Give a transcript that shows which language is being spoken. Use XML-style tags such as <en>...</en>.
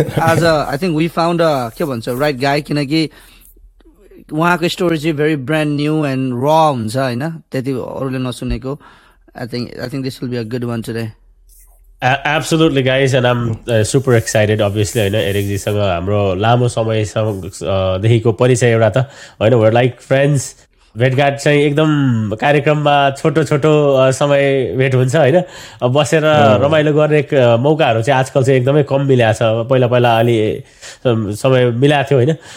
<ne>आज</ne> <en>I think we found</en> <ne>के भन्छ</ne> <en>right guy</en> <ne>किनकि उहाँको स्टोरी चाहिँ</ne> <en>very brand new and</en> <ne>र हुन्छ होइन त्यति अरूले नसुनेको.</ne> <en>I think this will be a good one today. Absolutely, guys, and I'm super excited. Obviously, you know, Eric ji</en> <ne>sanga hamro lamo samay dekhiko parichay euta ta haina,</ne> <en>we're like friends.</en> <ne>भेटघाट चाहिँ एकदम कार्यक्रममा छोटो छोटो समय भेट हुन्छ होइन, बसेर रमाइलो गर्ने मौकाहरू चाहिँ आजकल चाहिँ एकदमै कम मिलाएको छ. पहिला अलि समय मिलाएको थियो होइन.</ne>